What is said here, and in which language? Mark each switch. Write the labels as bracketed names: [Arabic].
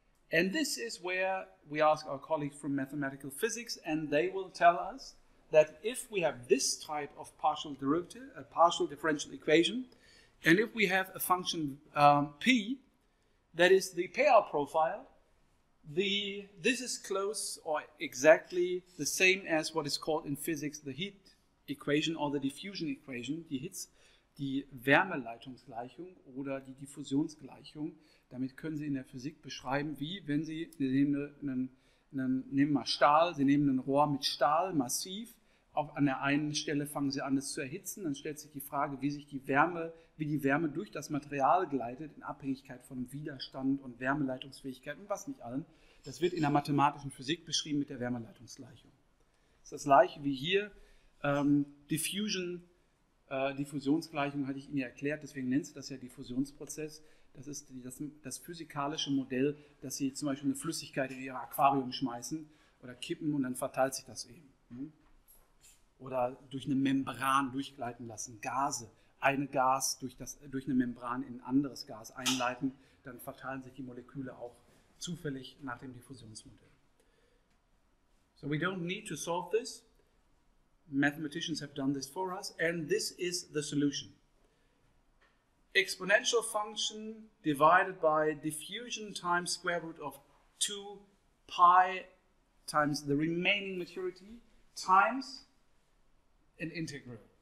[English] And this is where we ask our colleagues from mathematical physics, and they will tell us that if we have this type of partial derivative, a partial differential equation, and if we have a function P, that is the payout profile, this is close or exactly the same as what is called in physics the heat equation or the diffusion equation, [German] die Hitz, die Wärmeleitungsgleichung oder die Diffusionsgleichung. Damit können Sie in der Physik beschreiben, wie wenn Sie, Sie nehmen ein Rohr mit Stahl, massiv, auch an der einen Stelle fangen Sie an, es zu erhitzen, dann stellt sich die Frage, wie die Wärme durch das Material gleitet, in Abhängigkeit von Widerstand und Wärmeleitungsfähigkeit und was nicht allen. Das wird in der mathematischen Physik beschrieben mit der Wärmeleitungsgleichung. Das ist das gleiche wie hier, Diffusionsgleichung hatte ich Ihnen ja erklärt, deswegen nennt sie das ja Diffusionsprozess. Das ist das physikalische Modell, dass Sie zum Beispiel eine Flüssigkeit in Ihr Aquarium schmeißen oder kippen und dann verteilt sich das eben. Oder durch eine Membran durchgleiten lassen, Gase, ein Gas durch eine Membran in ein anderes Gas einleiten, dann verteilen sich die Moleküle auch zufällig nach dem Diffusionsmodell. [English] So we don't need to solve this. Mathematicians have done this for us and this is the solution. Exponential function divided by diffusion times square root of 2 pi times the remaining maturity times an integral.